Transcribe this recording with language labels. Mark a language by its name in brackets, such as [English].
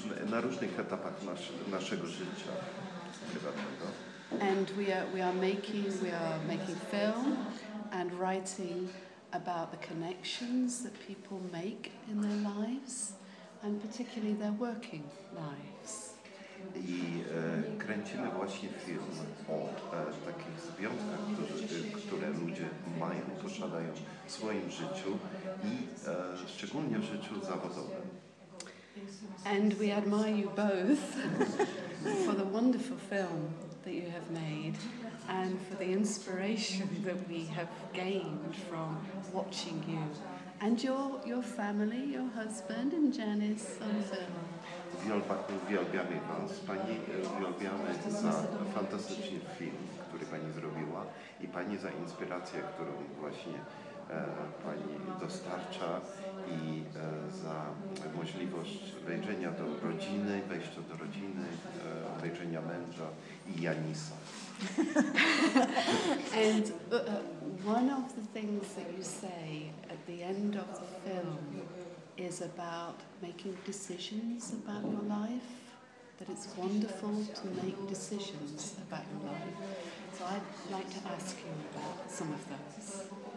[Polish] Na różnych etapach naszego życia prywatnego. [English] And we are making film and writing about the connections that people make in their lives. And particularly their working lives. [Polish] I kręcimy właśnie film o takich związkach, które ludzie mają, posiadają w swoim życiu i szczególnie w życiu zawodowym. [English] And we admire you both for the wonderful film that you have made and for the inspiration that we have gained from watching you. And your family, your husband and Janice on film. [Polish] Uwielbiamy was. Pani uwielbiamy za fantastyczny film, który pani zrobiła i pani za inspirację, którą właśnie pani dostarcza i za możliwość wejrzenia do rodziny, wejścia do rodziny, wejrzenia męża i Janisa. [English] And one of the things that you say at the end of the film is about making decisions about your life, that it's wonderful to make decisions about your life. So I'd like to ask you about some of those.